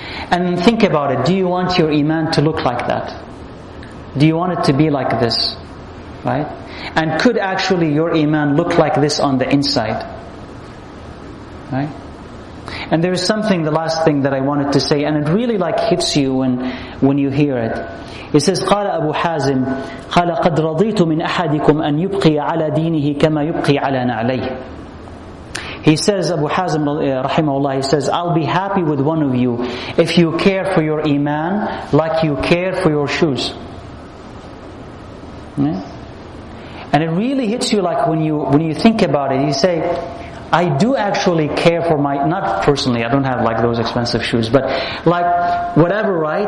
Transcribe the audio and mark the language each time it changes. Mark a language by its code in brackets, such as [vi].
[en] And think about it, do you want your iman to look like that? Do you want it to be like this? Right? And could actually your iman look like this on the inside? Right? And there is something, the last thing that I wanted to say, and it really like hits you when you hear it. It says, [ar] قال أبو حازم قال قد رضيت من أحدكم أن يبقي على دينه كما يبقي على نعليه. [en] He says, Abu Hazim rahimahullah, he says, I'll be happy with one of you if you care for your iman like you care for your shoes. Yeah? And it really hits you like when you think about it. You say, I do actually care for my, not personally, I don't have like those expensive shoes, but like whatever, right?